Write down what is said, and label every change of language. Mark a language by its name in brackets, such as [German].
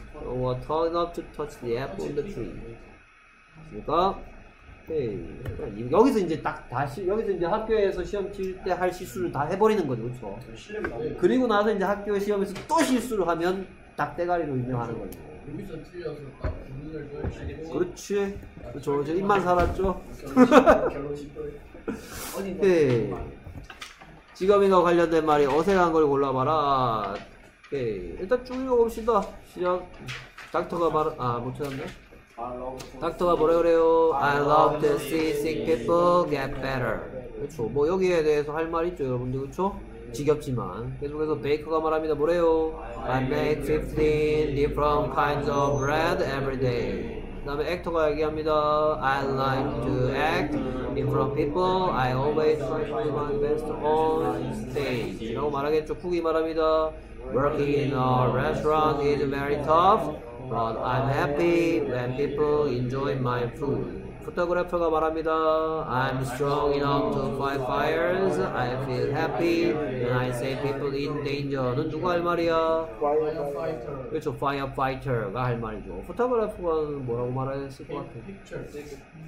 [English] John was tall enough to touch the apple in the tree. [Korean] 됐습니까? 네. 여기서 이제 딱 다시 여기서 이제 학교에서 시험 칠 때 할 실수를 다 해버리는 거죠. 그렇죠? 그리고 나서 이제 학교 시험에서 또 실수를 하면 닭대가리로 인정하는 거죠. 여기서 틀려서 딱 눈을 떠야지. 그렇지. 그렇죠. 저 입만 살았죠. 네. 직업인과 관련된 말이 어색한 걸 골라봐라. 네. 일단 쭉 읽어봅시다. 시작. 닥터가 말 아 못 찾았네. 닥터가 뭐라 그래요? [English] I love to see sick people get better. [Korean] 그렇죠. 뭐 여기에 대해서 할 말 있죠, 여러분들. 그렇죠? 지겹지만 계속해서 베이커가 말합니다. [English] 뭐래요? I make 15 different kinds of bread every day. [Korean] 그다음에 액터가 얘기합니다. [English] I like to act in front of people. I always try my best on stage. 라고 말하겠죠. 쿡이 말합니다. Working in a restaurant is very tough. But I'm happy when people enjoy my food. [Korean] 포토그래퍼가 말합니다. [English] I'm strong enough to fight fires. I feel happy when I see people in danger. 는 누가 할 말이야? Firefighter. [Korean] 그렇죠. Firefighter가 할 말이죠. 포토그래퍼가 뭐라고 말해야 했을 것 같아요? [English] Picture.